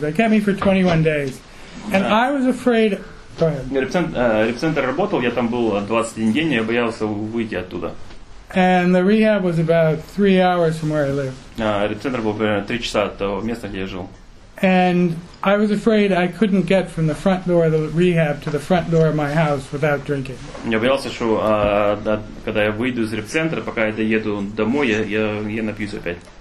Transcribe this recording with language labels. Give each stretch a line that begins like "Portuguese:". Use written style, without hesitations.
English: They kept me for 21 days, and I was afraid.
Russian: Реп-центр работал, я там был 21 день, я боялся выйти оттуда.
English: And the rehab was about 3 hours from where I lived.
Russian: Реп-центр был примерно 3 часа от того места, где я жил.
English: And I was afraid I couldn't get from the front door of the rehab to the front door of my house without drinking.
Russian: Я боялся, что когда я выйду из реп-центра, пока я доеду домой, я напьюсь опять.